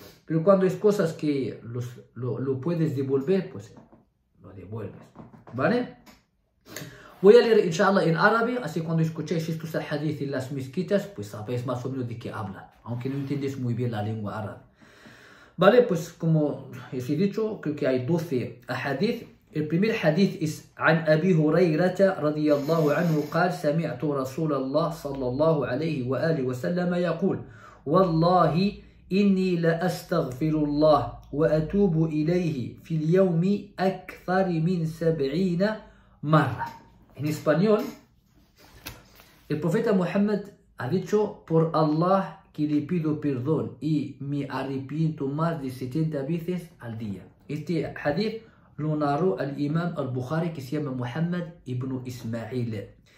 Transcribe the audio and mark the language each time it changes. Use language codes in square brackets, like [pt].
[es] Pero cuando es cosas que lo puedes devolver, pues lo devuelves, ¿vale? Voy a leer inshallah en árabe, así cuando escucháis estos hadith en las mezquitas, pues sabéis más o menos de qué habla, aunque no entiendes muy bien la lengua árabe. ¿Vale? Pues como os he dicho, creo que hay 12 hadith. El primer hadith es [ar] عن أبي هريرة رضي الله عنه قال سمعت رسول الله صلى الله عليه وآله وسلم يقول والله إني لأستغفر الله وأتوب إليه في اليوم أكثر من 70 مرة. [es] En español, el profeta Muhammad ha dicho por Allah que le pido perdón y me arrepiento más de 70 veces al día. Este hadith lo narró el imam al-Bukhari, que se llama Muhammad ibn Ismail.